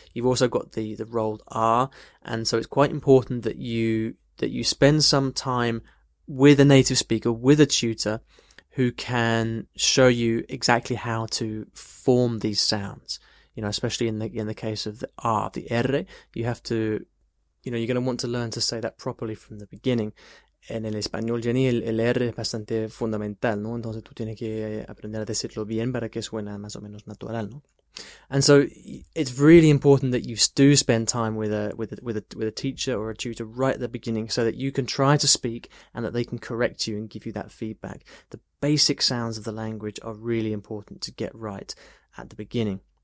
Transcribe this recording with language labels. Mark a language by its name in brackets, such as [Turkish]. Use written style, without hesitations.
[English] You've also got the rolled R. And so it's quite important that you spend some time with a native speaker, with a tutor who can show you exactly how to form these sounds. You know, especially in the case of the R, the R, you have to, you know, you're going to want to learn to say that properly from the beginning. [Spanish] En el español, Jenny, el R es bastante fundamental, ¿no? Entonces tú tienes que aprender a decirlo bien para que suene más o menos natural, ¿no? [English] And so it's really important that you do spend time with a teacher or a tutor right at the beginning so that you can try to speak and that they can correct you and give you that feedback. The basic sounds of the language are really important to get right at the beginning.